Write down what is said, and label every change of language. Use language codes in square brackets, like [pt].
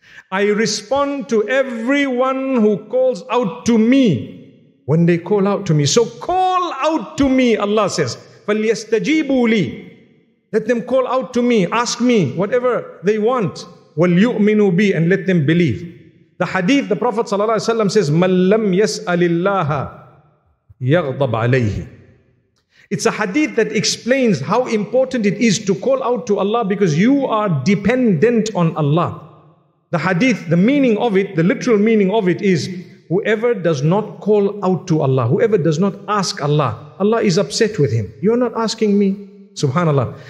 [en] I respond to everyone who calls out to me when they call out to me. So call out to me, Allah says. [ar] فَلْيَسْتَجِيبُوا لِي. [en] Let them call out to me, ask me whatever they want. [ar] وَلْيُؤْمِنُوا بِي. [en] And let them believe. The hadith, the Prophet ﷺ says, [ar] مَنْ لَمْ يَسْأَلِ اللَّهَ يَغْضَبْ عَلَيْهِ. [en] It's a hadith that explains how important it is to call out to Allah because you are dependent on Allah. The hadith, the meaning of it, the literal meaning of it is, whoever does not call out to Allah, whoever does not ask Allah, Allah is upset with him. You're not asking me. Subhanallah.